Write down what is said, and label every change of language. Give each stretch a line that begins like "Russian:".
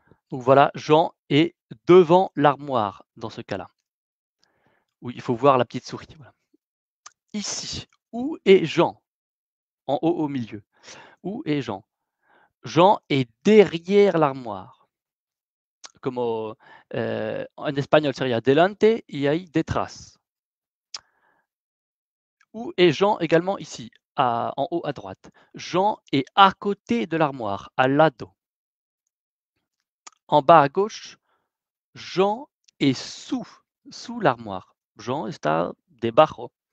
French: Donc voilà, Jean est devant l'armoire dans ce cas-là. Où il faut voir la petite souris. Voilà. Ici, où est Jean? En haut au milieu. Où est Jean? Jean est derrière l'armoire.
Spanish: Como en espagnol, sería delante y ahí detrás.
French: Où est Jean également ici, en haut à droite? Jean est à côté de l'armoire,
Spanish: al lado.
French: En bas à gauche, Jean est sous l'armoire. Jean
Spanish: está debajo,